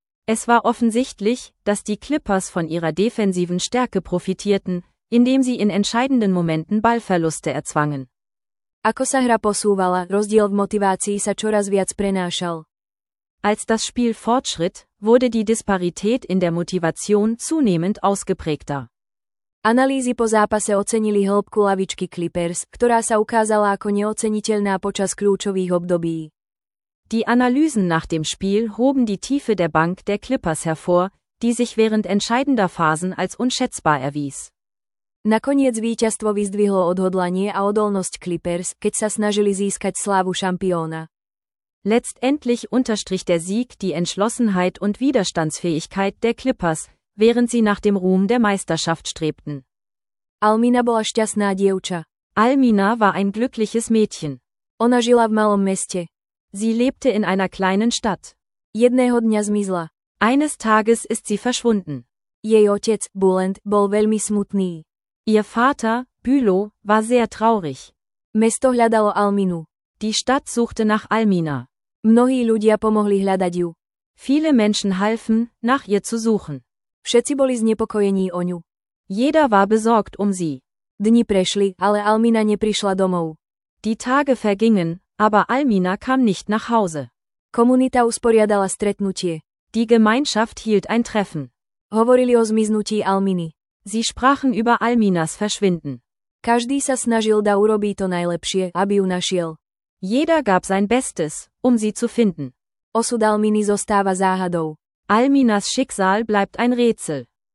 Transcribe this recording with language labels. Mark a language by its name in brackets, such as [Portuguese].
[German] Es war offensichtlich, dass die Clippers von ihrer defensiven Stärke profitierten, indem sie in entscheidenden Momenten Ballverluste erzwangen. [Slovak] Ako sa hra posúvala, rozdiel v motivácii sa čoraz viac prenášal. [German] Als das Spiel fortschritt, wurde die Disparität in der Motivation zunehmend ausgeprägter. [Slovak] Analýzy po zápase ocenili hĺbku lavičky Clippers, ktorá sa ukázala ako neoceniteľná počas kľúčových období. [German] Die Analysen nach dem Spiel hoben die Tiefe der Bank der Clippers hervor, die sich während entscheidender Phasen als unschätzbar erwies. [Slovak] Nakoniec víťazstvo vyzdvihlo odhodlanie a odolnosť Clippers, keď sa snažili získať slávu šampióna. [German] Letztendlich unterstrich der Sieg die Entschlossenheit und Widerstandsfähigkeit der Clippers, während sie nach dem Ruhm der Meisterschaft strebten. [Slovak] Almina bola šťastná dievča. [German] Almina war ein glückliches Mädchen. [Slovak] Ona žila v malom meste. [German] Sie lebte in einer kleinen Stadt. [Slovak] Jedného dňa zmizla. [German] Eines Tages ist sie verschwunden. [Slovak] Jej otec, Bulent, bol veľmi smutný. [German] Ihr Vater, Bülow, war sehr traurig. [Slovak] Mesto hľadalo Alminu. [German] Die Stadt suchte nach Almina. [Slovak] Mnohí ľudia pomohli hľadať ju. [German] Viele Menschen halfen, nach ihr zu suchen. [Slovak] Všetci boli znepokojení o ňu. [German] Jeder war besorgt um sie. [Slovak] Dni prešli, ale Almina neprišla domov. [German] Die Tage vergingen, aber Almina kam nicht nach Hause. [Slovak] Komunita usporiadala stretnutie. [German] Die Gemeinschaft hielt ein Treffen. [Slovak] Hovorili o zmiznutí Alminy. [German] Sie sprachen über Alminas Verschwinden. [Slovak] Každý sa snažil da urobiť to najlepšie, aby ju našiel. [German] Jeder gab sein Bestes, um sie zu finden. [Slovak] Osud Alminy zostáva záhadou. [German] Alminas Schicksal bleibt ein Rätsel.